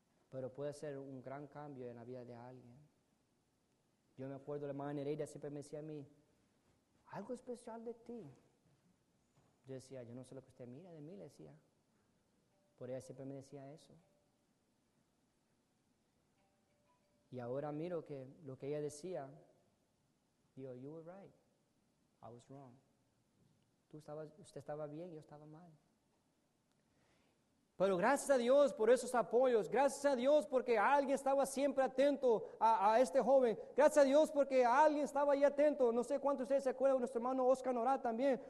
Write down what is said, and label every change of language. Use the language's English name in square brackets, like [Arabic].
[Spanish] Pero puede ser un gran cambio en la vida de alguien. Yo me acuerdo, la hermana Nereida siempre me decía a mí, algo especial de ti. Yo decía, yo no sé lo que usted mira de mí, le decía. Por ella siempre me decía eso. Y ahora miro que lo que ella decía, digo, [English] you were right, I was wrong. [Spanish] Usted estaba bien, yo estaba mal. Pero gracias a Dios por esos apoyos. Gracias a Dios porque alguien estaba siempre atento a este joven. Gracias a Dios porque alguien estaba ahí atento. No sé cuántos de ustedes se acuerdan, nuestro hermano Oscar Norá también.